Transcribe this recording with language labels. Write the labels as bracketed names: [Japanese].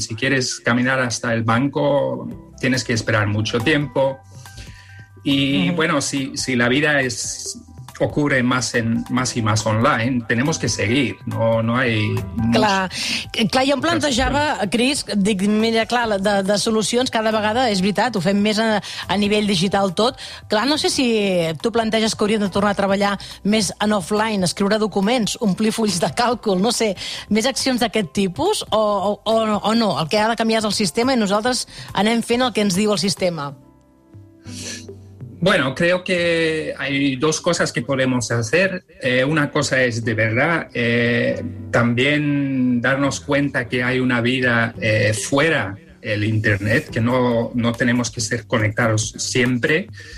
[Spanish] Si quieres caminar hasta el banco, tienes que esperar mucho tiempo. Y bueno, si la vida ocurre más y más online, tenemos que seguir, no hay... [Catalan] Clar, jo em plantejava, Chris, dic, mira, clar, de solucions cada vegada, és veritat, ho fem més a nivell digital tot. Clar, no sé si tu planteges que hauríem de tornar a treballar més en offline, escriure documents, omplir fulls de càlcul, no sé, més accions d'aquest tipus o no? El que ha de canviar és el sistema i nosaltres anem fent el que ens diu el sistema. [Spanish] Bueno, creo que hay dos cosas que podemos hacer. Una cosa es, de verdad, también darnos cuenta que hay una vida fuera del Internet, que no tenemos que ser conectados siempre.